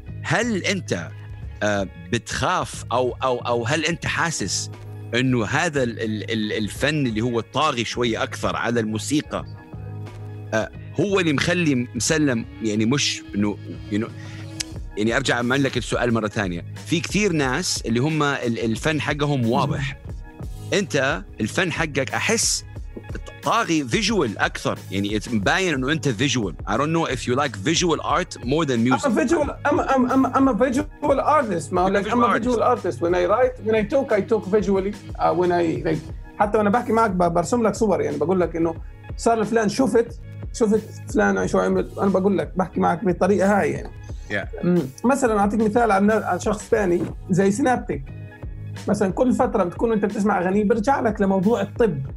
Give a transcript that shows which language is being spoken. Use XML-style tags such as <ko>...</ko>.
<ar>هل أنت بتخاف أو هل أنت حاسس إنه هذا الفن اللي هو طاغي شوية أكثر على الموسيقى؟ هو اللي مخلي مسلم يعني مش انه يعني ارجع اعمل لك السؤال مره ثانيه في كثير ناس اللي هم الفن حقهم واضح انت الفن حقك احس طاغي فيجوال اكثر يعني مبين انه انت فيجوال.</ar> <en>I don't know if you like visual art more than music. I'm a visual artist.</en> <ar>ما لك</ar> <en>I'm a visual artist. When I write, when I talk, I talk visually. When I like,</en> <ar>حتى وانا بحكي معك برسم لك صور يعني بقول لك انه صار فلان شفت فلان شو عمل. انا بقول لك بحكي معك بالطريقه هاي يعني.</ar> <en>Yeah.</en> <ar>مثلا اعطيك مثال على شخص ثاني زي سينابتيك مثلا. كل فتره بتكون انت بتسمع اغاني برجع لك لموضوع الطب.</ar>